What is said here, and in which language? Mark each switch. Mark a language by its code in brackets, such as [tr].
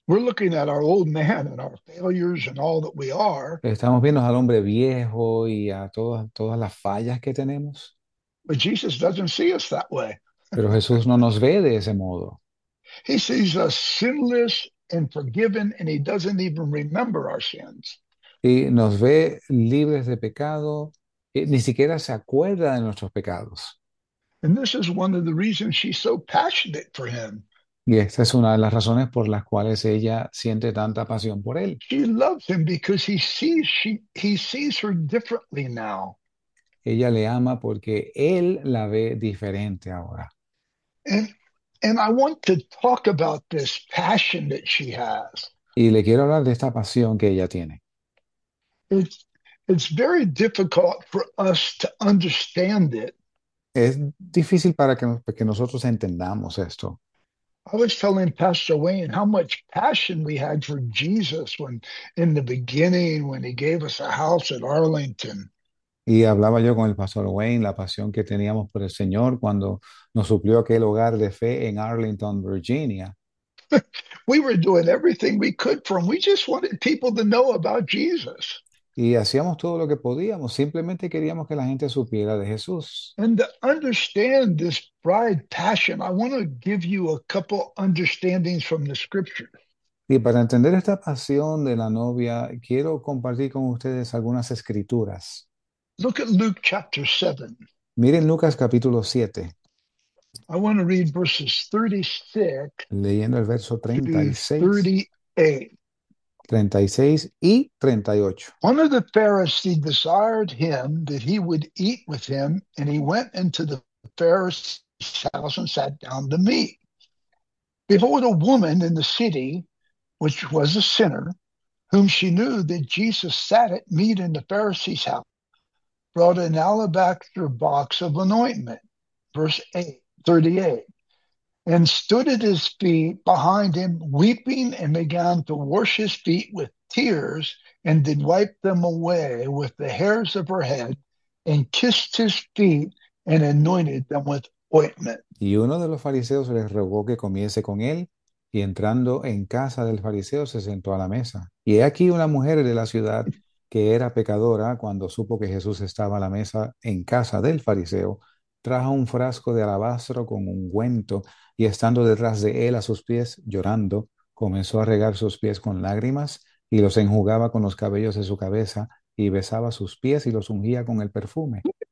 [en] We're looking at our old man and our failures and all that we are. [es] Estamos viendo al hombre viejo y a todas las fallas que tenemos. [en] But Jesus doesn't see us that way. [es] Pero Jesús no nos ve de ese modo. [en] He sees us sinless and forgiven, and he doesn't even remember our sins. [es] Y nos ve libres de pecado, y ni siquiera se acuerda de nuestros pecados. [en] And this is one of the reasons she's so passionate for him. [es] Y esta es una de las razones por las cuales ella siente tanta pasión por él. [en] She loves him because he sees her differently now. [es] Ella le ama porque él la ve diferente ahora. [en] And I want to talk about this passion that she has. [es] Y le quiero hablar de esta pasión que ella tiene. [en] It's very difficult for us to understand it. [es] Es difícil para que nosotros entendamos esto. [en] I was telling Pastor Wayne how much passion we had for Jesus when, in the beginning, when he gave us a house at Arlington. [es] Y hablaba yo con el pastor Wayne, la pasión que teníamos por el Señor cuando nos suplió aquel hogar de fe en Arlington, Virginia. [en] We were doing everything we could for him. We just wanted people to know about Jesus. [es] Y hacíamos todo lo que podíamos, simplemente queríamos que la gente supiera de Jesús. [en] And to understand this bride passion, I want to give you a couple understandings from the scripture. [es] Y para entender esta pasión de la novia, quiero compartir con ustedes algunas escrituras. [en] Look at Luke chapter 7. [es] Miren Lucas capítulo 7, [en] I want to read verses 36 [es] leyendo el verso [en] through 36, 38. [es] 36 y 38. [en] One of the Pharisees desired him that he would eat with him, and he went into the Pharisee's house and sat down to meat. Behold, a woman in the city, which was a sinner, whom she knew that Jesus sat at meat in the Pharisee's house, brought an alabaster box of anointment, verse 38, and stood at his feet behind him, weeping, and began to wash his feet with tears, and did wipe them away with the hairs of her head, and kissed his feet, and anointed them with ointment. [es] Y uno de los fariseos les rogó que comiese con él, y entrando en casa del fariseo se sentó a la mesa. Y he aquí una mujer de la ciudad que era pecadora, cuando supo que Jesús estaba a la mesa en casa del fariseo, trajo un frasco de alabastro con ungüento y estando detrás de él a sus pies, llorando, comenzó a regar sus pies con lágrimas y los enjugaba con los cabellos de su cabeza y besaba sus pies y los ungía con el perfume.